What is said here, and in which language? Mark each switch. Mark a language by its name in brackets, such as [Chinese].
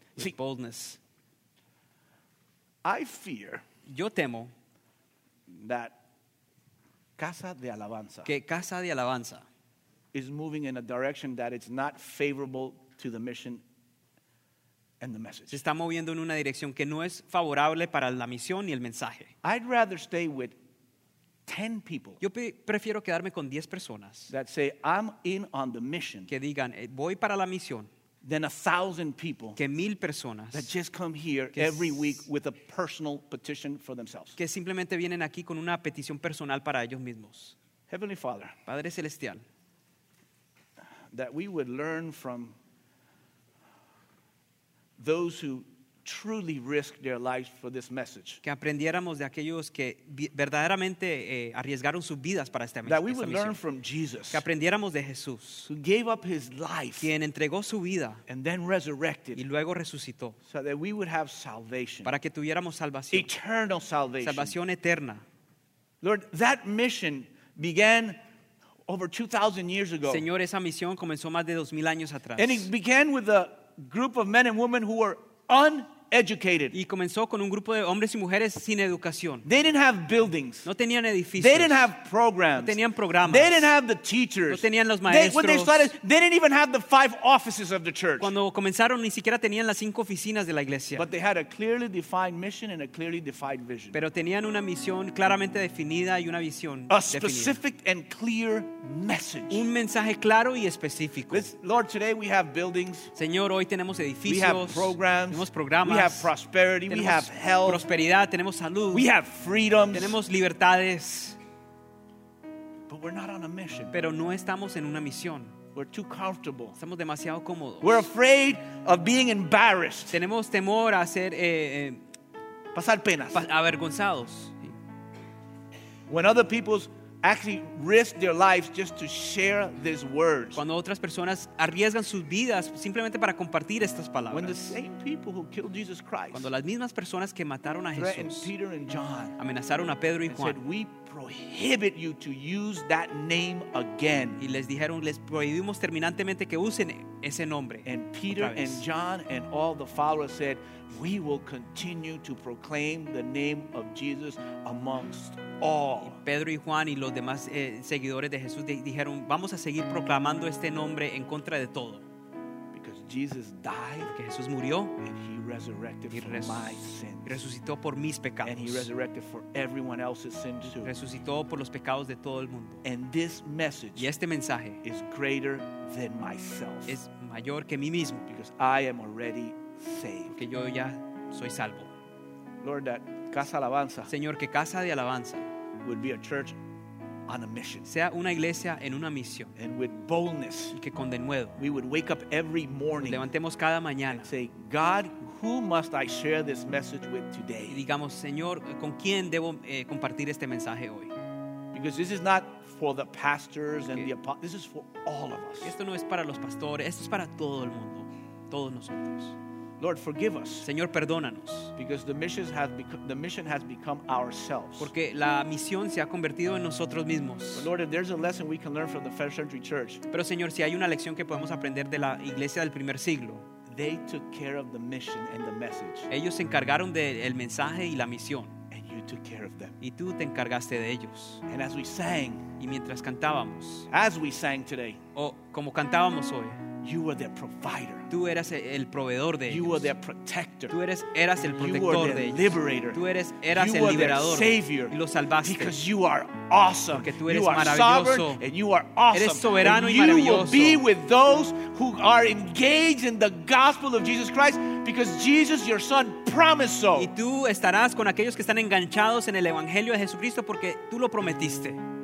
[English] With sí. Boldness. I fear. [Spanish] Yo temo. [English] That casa de alabanza. [Spanish] Que casa de alabanza. [English] Is moving in a direction that it's not favorable to the mission and the message. [Spanish] Se está moviendo en una dirección que no es favorable para la misión ni el mensaje. [English] I'd rather stay with 10 people. [Spanish] Yo prefiero quedarme con 10 personas. [English] That say I'm in on the mission. [Spanish] Que digan voy para la misión. [English] Than 1,000 people. [Spanish] Que 1,000 personas. [English] That just come here every week with a personal petition for themselves. [Spanish] Que simplemente vienen aquí con una petición personal para ellos mismos. [English] Heavenly Father. [Spanish] Padre celestial. [English] That we would learn from those who truly risk their lives for this message. [Spanish] Que aprendiéramos de aquellos que verdaderamente arriesgaron sus vidas para esta misión. [English] That we would learn from Jesus. [Spanish] Que aprendiéramos de Jesús. [English] Who gave up his life. [Spanish] Quien entregó su vida. [English] And then resurrected. [Spanish] Y luego resucitó. [English] So that we would have salvation. [Spanish] Para que tuviéramos salvación. [English] Eternal salvation. [Spanish] Salvación eterna. [English] Lord, that mission began over 2,000 years ago. [Spanish] Señor, esa misión comenzó más de 2,000 años atrás. [English] And it began with a group of men and women who were uneducated. [Spanish] Y comenzó con un grupo de hombres y mujeres sin educación. [English] They didn't have buildings. [Spanish] No tenían edificios. [English] They didn't have programs. [Spanish] No tenían programas. [English] They didn't have the teachers. [Spanish] No tenían los maestros. [English] When they started, they didn't even have the 5 offices of the church. [Spanish] Cuando comenzaron ni siquiera tenían las 5 oficinas de la iglesia. [English] But they had a clearly defined mission and a clearly defined vision. [Spanish] Pero tenían una misión claramente definida y una visión definida. [English] A specific and clear message. [Spanish] Un mensaje claro y específico. [English] Lord, today we have buildings. [Spanish] Señor, hoy tenemos edificios. [English] We have programs. [Spanish] Tenemos programas. [English] We have prosperity, [Spanish] tenemos [English] we have health. [Spanish] Prosperidad, tenemos salud. [English] We have freedoms. [Spanish] Tenemos libertades. [English] But we're not on a mission. [Spanish] Pero no estamos en una misión. [English] We're too comfortable. [Spanish] Estamos demasiado cómodos. [English] We're afraid of being embarrassed. [Spanish] Tenemos temor a ser pasar penas. Avergonzados. [English] When other people's actually risk their lives just to share these words. [Spanish] Cuando otras personas arriesgan sus vidas simplemente para compartir estas palabras. [English] When the same people who killed Jesus Christ. [Spanish] Cuando las mismas personas que mataron a Jesús. [English] Peter and John. [Spanish] Amenazaron a Pedro y Juan. [English] Said we prohibit you to use that name again. [Spanish] Y les dijeron les prohibimos terminantemente que usen ese nombre. [English] And Peter and John and all the followers said we will continue to proclaim the name of Jesus amongst all. [Spanish] Y Pedro y Juan y los demás seguidores de Jesús dijeron vamos a seguir proclamando este nombre en contra de todo. [English] Because Jesus died. [Spanish] Porque Jesús murió. [English] And he resurrected for my sins. [Spanish] Resucitó por mis pecados. [English] And he resurrected for everyone else's sins too. [Spanish] Resucitó por los pecados de todo el mundo. [English] And this message. [Spanish] Y este mensaje. [English] Is greater than myself. [Spanish] Es mayor que mí mismo. [English] Because I am already saved. [Spanish] Porque yo ya soy salvo. [English] Lord, that casa alabanza. [Spanish] Señor, que casa de alabanza. [English] Would be a church on a mission. [Spanish] Sea una iglesia en una misión. [English] And with boldness. [Spanish] Y que con denuedo. [English] We would wake up every morning. [Spanish] Levantemos cada mañana. [English] And say, God, who must I share this message with today? [Spanish] Y digamos, Señor, ¿con quién debo compartir este mensaje hoy? [English] Because this is not for the pastors and the apostles. This is for all of us. [Spanish] Esto no es para los pastores. Esto es para todo el mundo. Todos nosotros. [English] Lord, forgive us. [Spanish] Señor, perdónanos. [English] Because the mission has become ourselves. [Spanish] Porque la misión se ha convertido en nosotros mismos. [English] But Lord, if there's a lesson we can learn from the first century church. [Spanish] Pero Señor, si hay una lección que podemos aprender de la iglesia del primer siglo. [English] They took care of the mission and the message. [Spanish] Ellos se encargaron del mensaje y la misión. [English] And you took care of them. [Spanish] Y tú te encargaste de ellos. [English] And as we sang. [Spanish] Y mientras cantábamos. [English] As we sang today. [Spanish] O como cantábamos hoy. [English] You were their provider. [Spanish] Tú eras el proveedor de ellos. [English] You were their protector. [Spanish] Tú eras el protector [English] you were their [Spanish] de ellos. [English] Liberator. [Spanish] Tú eras [English] you [Spanish] el liberador. [English] Their savior. [Spanish] Y los salvaste. [English] Because you are awesome. [Spanish] Porque tú eres [English] you are [Spanish] maravilloso. [English] And you are awesome. [Spanish] Eres soberano [English] and [Spanish] y maravilloso. [English] You will be with those who are engaged in the gospel of Jesus Christ because Jesus your son promised so. [Spanish] Y tú estarás con aquellos que están enganchados en el evangelio de Jesucristo porque tú lo prometiste.